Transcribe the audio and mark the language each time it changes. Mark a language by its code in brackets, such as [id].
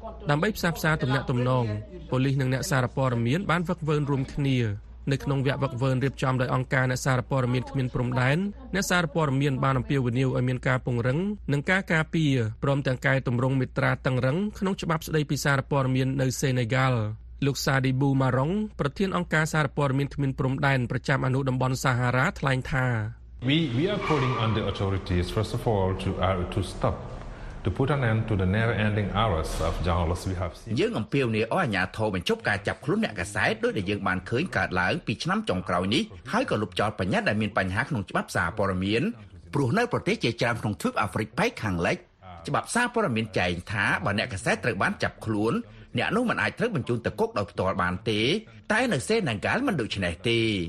[km] ដើម្បីផ្សះផ្សាទំនាក់ទំនងប៉ូលីសនិងអ្នកសារព័ត៌មានបានវឹកវើរួមគ្នានៅក្នុងវគ្គវឹកវើរៀបចំដោយអង្គការអ្នកសារព័ត៌មានគ្មានព្រំដែនអ្នកសារព័ត៌មានបានអំពាវនាវឲ្យមានការពង្រឹងនិងការការពារព្រមទាំងកែតម្រង់មាត្រាតឹងរ៉ឹងក្នុងច្បាប់ស្តីពីសារព័ត៌មាននៅសេណេហ្កាល់លោកសាឌីប៊ូម៉ារុងប្រធានអង្គការសារព័ត៌មានគ្មានព្រំដែនប្រចាំអនុតំបន់សាហារ៉ាថ្លែងថា [en] We are calling on the authorities first of all to stop to put an end to the never ending hours of journalists we have seen [km] យើងអំពាវនាវឲ្យអាជ្ញាធរបញ្ឈប់ការចាប់ខ្លួនអ្នកកសែតដោយដែលយើងបានឃើញកើតឡើងពីឆ្នាំចុងក្រោយនេះហើយក៏លុបចោលបញ្ញត្តិដែលមានបញ្ហាក្នុងច្បាប់សារព័ត៌មានព្រោះនៅប្រទេសជាច្រើនក្នុងទ្វីបអាហ្វ្រិកប៉ែកខាងលិចច្បាប់សារព័ត៌មានចែងថាបើអ្នកកសែតត្រូវបានចាប់ខ្លួនអ្នកនោះមិនអាចត្រូវបញ្ជូនទៅគុកដោយផ្ទាល់បានទេតែនៅសេណេហ្កាល់មិនដូច្នេះទេ